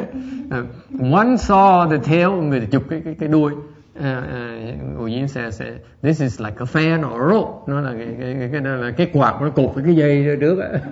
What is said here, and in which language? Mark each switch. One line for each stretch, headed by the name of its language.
English: One saw the tail,
Vietnamese: người chụp cái đuôi.
English: Uyên says this is like a fan or a rope.
Vietnamese: Nó là cái quạt nó cột cái dây ra trước.